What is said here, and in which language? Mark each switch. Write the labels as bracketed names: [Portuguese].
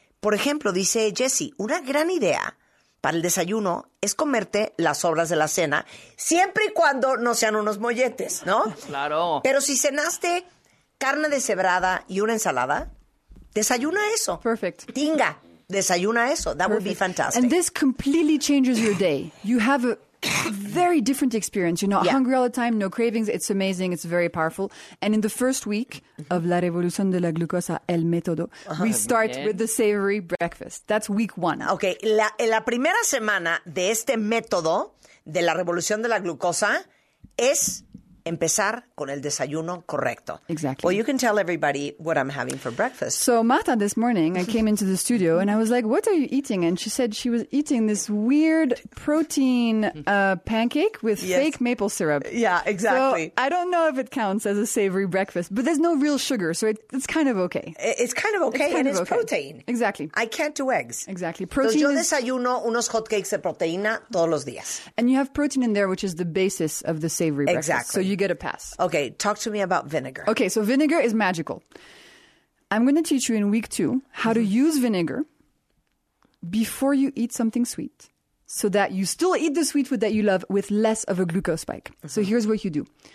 [Spanish] Por ejemplo, dice Jesse, una gran idea para el desayuno es comerte las sobras de la cena, siempre y cuando no sean unos molletes, ¿no? Claro. Pero si cenaste carne deshebrada y una ensalada, desayuna eso. [English] Perfect. Tinga. [Spanish] Desayuna eso. [English] That would be fantastic. And this completely changes your day. You have a very different experience. You're not hungry all the time, no cravings. It's amazing. It's very powerful. And in the first week of La Revolución de la Glucosa, El Método, we start with the savory breakfast. That's week one. Okay. [Spanish] La primera semana de este método de la Revolución de la Glucosa es empezar con el desayuno correcto. [English] Exactly. Well, you can tell everybody what I'm having for breakfast. So, Marta, this morning, I came into the studio and I was like, what are you eating? And she said she was eating this weird protein pancake with fake maple syrup. Yeah, exactly. So, I don't know if it counts as a savory breakfast, but there's no real sugar, so it's kind of okay. It's kind of okay. Protein. Exactly. I can't do eggs. Exactly. Protein. [Spanish] Entonces, yo desayuno unos hotcakes de proteína todos los días. [English] And you have protein in there, which is the basis of the savory breakfast. Exactly. So you get a pass. Okay, talk to me about vinegar. Okay, so vinegar is magical. I'm going to teach you in week two how to use vinegar before you eat something sweet so that you still eat the sweet food that you love with less of a glucose spike. Mm-hmm. So here's what you do.